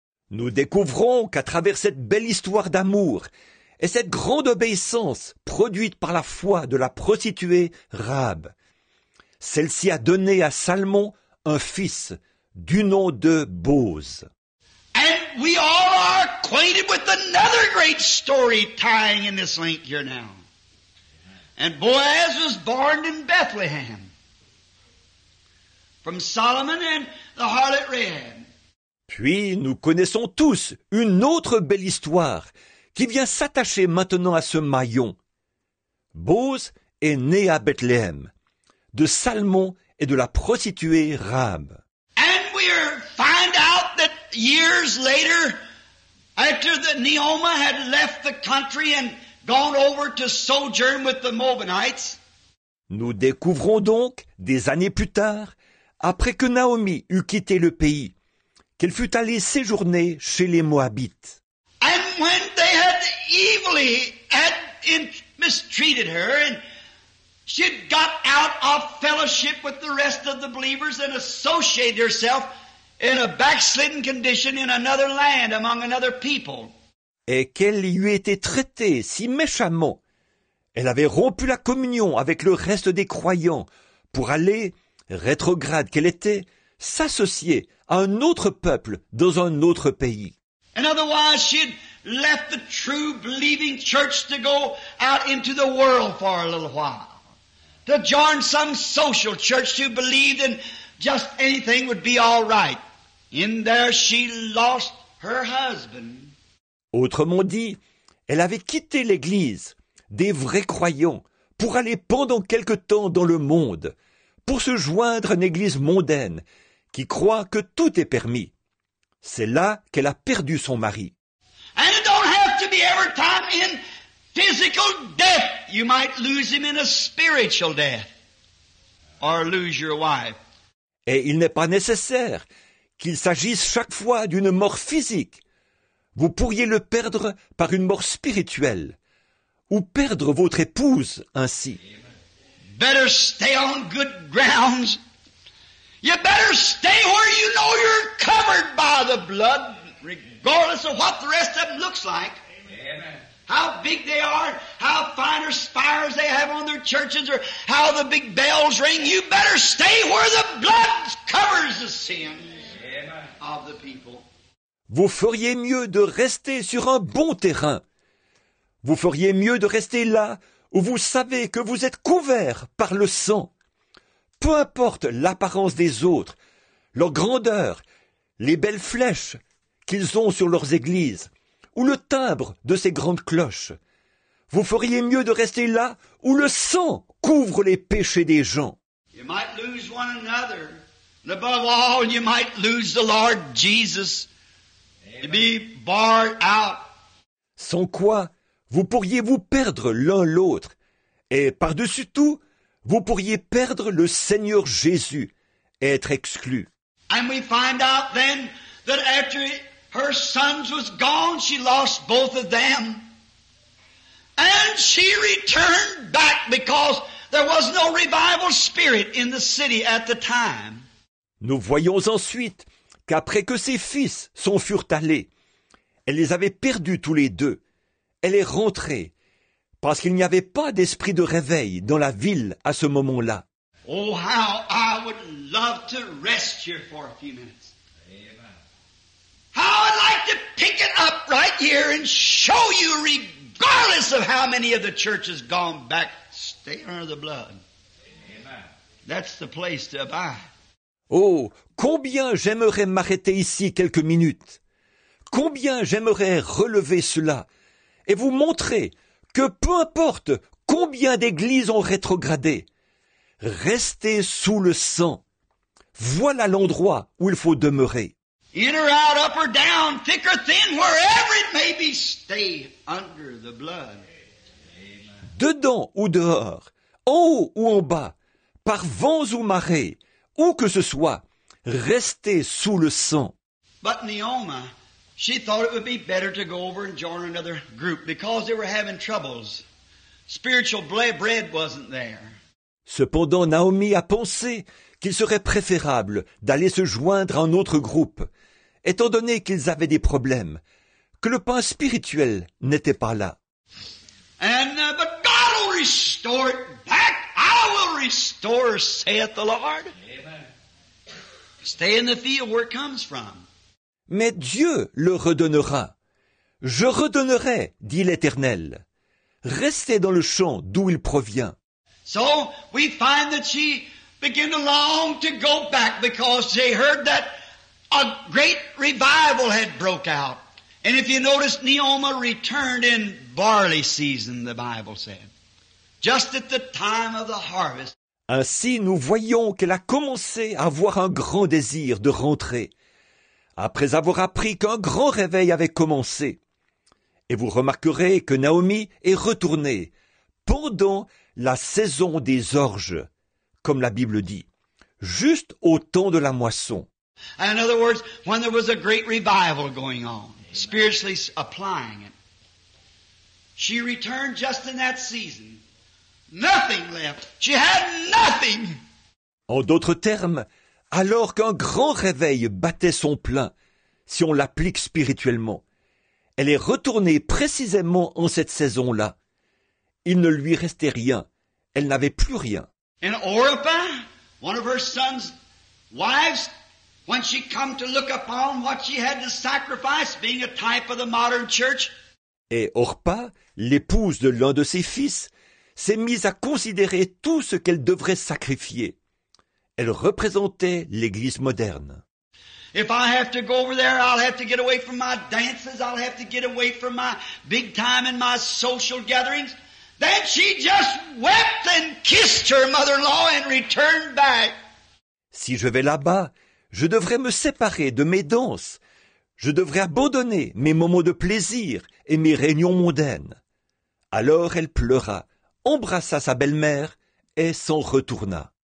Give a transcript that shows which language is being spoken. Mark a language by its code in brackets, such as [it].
[fr] Nous découvrons qu'à travers cette belle histoire d'amour et cette grande obéissance produite par la foi de la prostituée Rahab, celle-ci a donné à Salmon un fils du nom de Boaz. [en] And we all are acquainted with another great story tying in this link here now. And Boaz was born in Bethlehem from Solomon and the harlot Rahab. [fr] Puis nous connaissons tous une autre belle histoire qui vient s'attacher maintenant à ce maillon. Boaz est né à Bethléem, de Salmon et de la prostituée Rahab. [en] And we find out that years later, after that Naoma had left the country and gone over to sojourn with the Moabites. [fr] Nous découvrons donc, des années plus tard, après que Naomi eut quitté le pays, qu'elle fut allée séjourner chez les Moabites. [en] And when they had evilly had mistreated her, and she had got out of fellowship with the rest of the believers and associated herself in a backslidden condition in another land among another people. [fr] Et qu'elle y eût été traitée si méchamment, elle avait rompu la communion avec le reste des croyants pour aller, rétrograde qu'elle était, s'associer à un autre peuple dans un autre pays. [en] And otherwise she had left the true believing church to go out into the world for a little while, to join some social church who believed in just anything would be all right. In there she lost her husband. [fr] Autrement dit, elle avait quitté l'église, des vrais croyants, pour aller pendant quelque temps dans le monde, pour se joindre à une église mondaine qui croit que tout est permis. C'est là qu'elle a perdu son mari. [en] And it don't have to be every time in physical death. You might lose him in a spiritual death, or lose your wife. [fr] Et il n'est pas nécessaire qu'il s'agisse chaque fois d'une mort physique. Vous pourriez le perdre par une mort spirituelle, ou perdre votre épouse ainsi. [en] Better stay on good grounds. You better stay where you know you're covered by the blood, regardless of what the rest of them looks like. Amen. How big they are, how fine are spires they have on their churches, or how the big bells ring. You better stay where the blood covers the sins. Amen. Of the people. [fr] Vous feriez mieux de rester sur un bon terrain. Vous feriez mieux de rester là où vous savez que vous êtes couvert par le sang. Peu importe l'apparence des autres, leur grandeur, les belles flèches qu'ils ont sur leurs églises, ou le timbre de ces grandes cloches, vous feriez mieux de rester là où le sang couvre les péchés des gens. [en] You might lose one another, and above all, you might lose the Lord Jesus. Amen. To be barred out. [fr] Sans quoi, vous pourriez vous perdre l'un l'autre, et par-dessus tout, vous pourriez perdre le Seigneur Jésus et être exclu. [en] And we find out then that after her sons was gone, she lost both of them. And she returned back because the There was no revival spirit in the city at the time. [fr] Nous voyons ensuite qu'après que ses fils s'en furent allés, elle les avait perdus tous les deux. Elle est rentrée parce qu'il n'y avait pas d'esprit de réveil dans la ville à ce moment-là. [en] Oh, how I would love to rest here for a few minutes. How I'd like to pick it up right here and show you, regardless of how many of the church has gone back, stay under the blood. Amen. That's the place to abide. [fr] Oh, combien j'aimerais m'arrêter ici quelques minutes. Combien j'aimerais relever cela et vous montrer que peu importe combien d'églises ont rétrogradé, restez sous le sang. Voilà l'endroit où il faut demeurer. [en] In or out, up or down, thick or thin, wherever it may be, stay under the blood. Amen. [fr] Dedans ou dehors, en haut ou en bas, par vents ou marées, où que ce soit, restez sous le sang. [en] But Naomi, she thought it would be better to go over and join another group because they were having troubles. Spiritual bread wasn't there. [fr] Cependant, Naomi a pensé qu'il serait préférable d'aller se joindre à un autre groupe, étant donné qu'ils avaient des problèmes, que le pain spirituel n'était pas là. [en] But God will restore it back. I will restore, saith the Lord. Amen. Stay in the field where it comes from. [fr] Mais Dieu le redonnera. Je redonnerai, dit l'Éternel. Restez dans le champ d'où il provient. [en] So we find that she begin to long to go back because they heard that a great revival had broke out. And if you notice, Naomi returned in barley season, the Bible said. Just at the time of the harvest. [fr] Ainsi, nous voyons qu'elle a commencé à avoir un grand désir de rentrer, après avoir appris qu'un grand réveil avait commencé. Et vous remarquerez que Naomi est retournée pendant la saison des orges. Comme la Bible dit, juste au temps de la moisson. [en] In other words, when there was a great revival going on, spiritually applying it, she returned just in that season. Nothing left. She had nothing. [fr] En d'autres termes, alors qu'un grand réveil battait son plein, si on l'applique spirituellement, elle est retournée précisément en cette saison-là. Il ne lui restait rien. Elle n'avait plus rien. [en] And Orpah, one of her son's wives, when she come to look upon what she had to sacrifice, being a type of the modern church. [fr] Et Orpah, l'épouse de l'un de ses fils, s'est mise à considérer tout ce qu'elle devrait sacrifier. Elle représentait l'église moderne. [en] If I have to go over there, I'll have to get away from my dances, I'll have to get away from my big time and my social gatherings. Then she just wept and kissed her mother-in-law and returned back. [fr] Si je vais là-bas, je devrais me séparer de mes danses. Je devrais abandonner mes moments de plaisir et mes réunions mondaines. Alors elle pleura, embrassa sa belle-mère et s'en retourna.